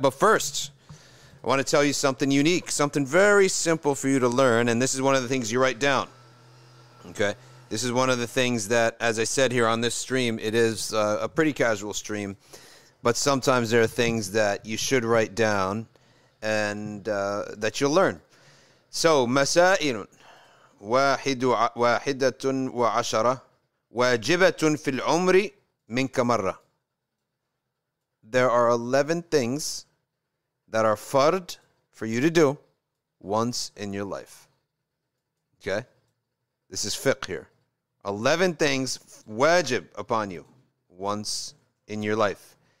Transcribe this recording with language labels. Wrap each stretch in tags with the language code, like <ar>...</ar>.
<en>But first, I want to tell you something unique, something very simple for you to learn, and this is one of the things you write down, okay? This is one of the things that, as I said here on this stream, it is a pretty casual stream, but sometimes there are things that you should write down and that you'll learn.</en> <ar>So, مسائل واحدة وعشرة واجبة في العمر منك مرة.</ar> <en>There are 11 things that are fard for you to do once in your life. Okay? This is fiqh here. 11 things wajib upon you once in your life.</en>